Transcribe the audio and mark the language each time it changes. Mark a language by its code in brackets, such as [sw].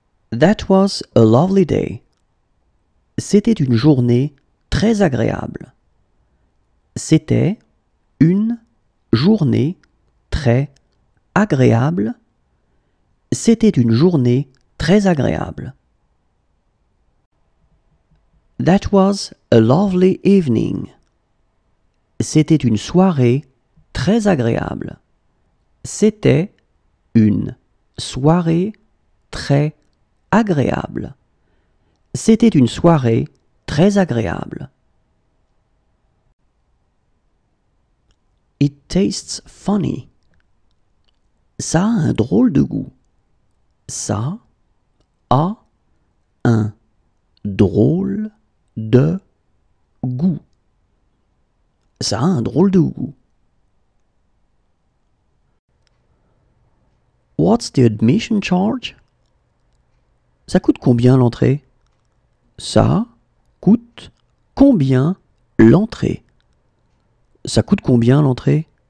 [en] That was a lovely day. [fr] C'était une journée très agréable. C'était une journée très agréable. C'était une journée très agréable. [en] That was a lovely evening. [fr] C'était une soirée très agréable. C'était une soirée très agréable. C'était une soirée très agréable. [en] It tastes funny. [fr] Ça a un drôle de goût. Ça a un drôle de goût. Ça a un drôle de goût. [en] What's the admission charge? [fr] Ça coûte combien l'entrée? Ça coûte combien l'entrée? Ça coûte combien l'entrée?